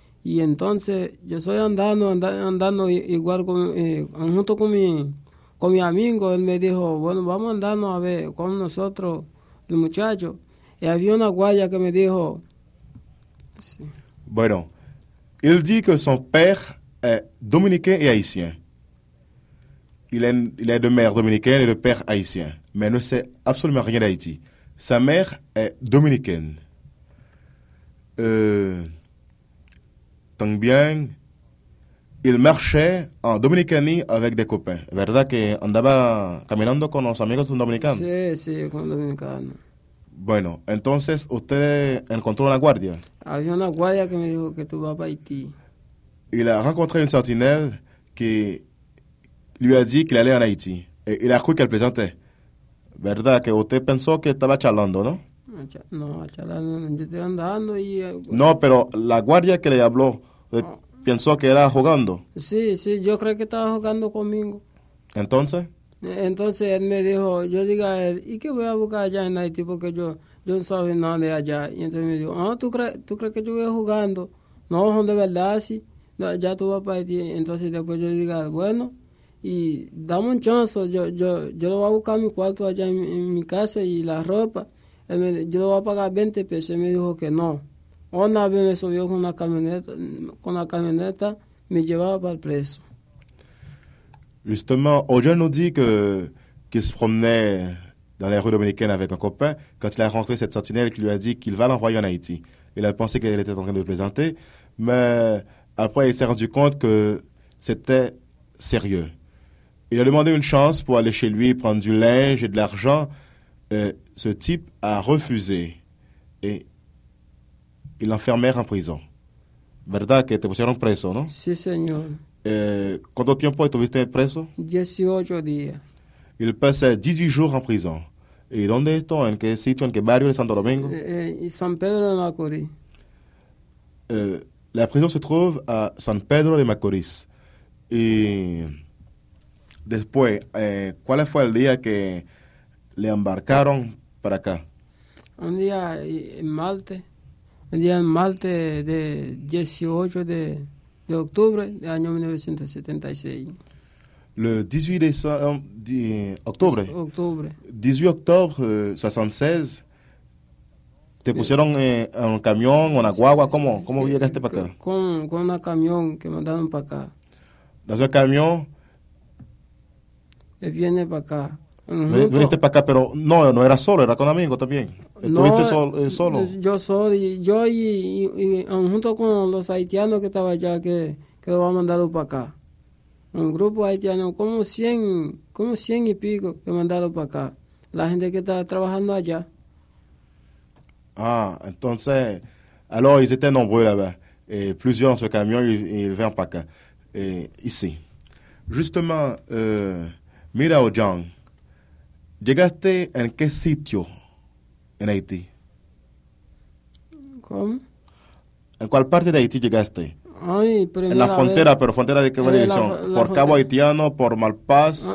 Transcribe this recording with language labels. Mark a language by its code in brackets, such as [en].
[es] Y entonces yo soy andando igual junto con mi amigo. Él me dijo, bueno, vamos andando a ver con nosotros, los muchachos. Y había una guaya que me dijo, sí. Bueno, él dice que su padre es dominicano y haitiano. [fr] Il est de mère dominicaine et de père haïtien, mais ne sait absolument rien d'Haïti. Sa mère est dominicaine. Tant bien, il marchait en Dominicanie avec des copains. [es] ¿Verdad que andaba caminando con los amigos dominicanos? Sí, con dominicanos. Bueno, entonces usted encontró una guardia. Había una guardia que me dijo que tú vas a Haití. [fr] Il a rencontré une sentinelle qui lui a dit qu'il allait en Haïti. Et il a cru qu'elle plaisantait. [es] ¿Verdad que usted pensó que estaba charlando, no? No, charlando, yo estoy andando y... No, pero la guardia que le habló pensó que era jugando. Sí, yo creo que estaba jugando conmigo. ¿Entonces? Entonces él me dijo, yo diga a él, ¿y qué voy a buscar allá en Haití? Porque yo no sabía nada de allá. Y entonces me dijo, ¿tú crees que yo voy jugando? No, son de verdad, sí. No, ya tú vas para Haití. Entonces después yo diga, bueno... Y dame un chance, yo lo voy a buscar a mi cuarto allá en mi casa y la ropa. Yo lo voy a pagar 20 pesos. Y me dijo que no. Una vez me subió con una camioneta, me llevaba para el preso. [fr] Justement, Ojan nos dit que se promenait dans la rue dominicaine avec un copain quand il a rencontré cette sentinelle qui lui a dit qu'il va l'envoyer en Haïti. Il a pensé qu'elle était en train de le plaisanter, mais après il s'est rendu compte que c'était sérieux. Il a demandé une chance pour aller chez lui prendre du linge et de l'argent. Ce type a refusé et ils l'enfermèrent en prison. [es] ¿Verdad que te pusieron preso, no? Sí, señor. ¿Cuánto tiempo estuviste preso? 18 días. [fr] Il passait 18 jours en prison. [es] ¿Y dónde está? ¿En qué sitio? ¿En qué barrio de Santo Domingo? San Pedro de Macorís. [fr] La prison se trouve à San Pedro de Macorís. [es] Y... Después, ¿cuál fue el día que le embarcaron para acá? Un día en martes, el día en martes de 18 de octubre del año 1976. ¿Le 18 de octubre? 18 octubre 76, ¿te pusieron en un camión, una guagua? ¿Cómo llegaste para acá? Con un camión que mandaron para acá. ¿Dás un camión? Viene para acá. Viniste para acá, pero no era solo, era con amigos también. ¿Estuviste solo? Yo solo, yo y junto con los haitianos que estaban allá, que lo habían mandado para acá. Un grupo haitiano, como cien y pico que mandaron para acá. La gente que está trabajando allá. Ah, entonces, [fr] alors ils étaient nombreux là-bas. Plusieurs en ce camion, ils viennent [es] para acá. [fr] Ici. [es] Justement, mira, Ojan, ¿llegaste en qué sitio en Haití? ¿Cómo? ¿En cuál parte de Haití llegaste? Ay, en la frontera, pero ¿frontera de qué dirección? ¿Por Cabo Haitiano, por Malpaz?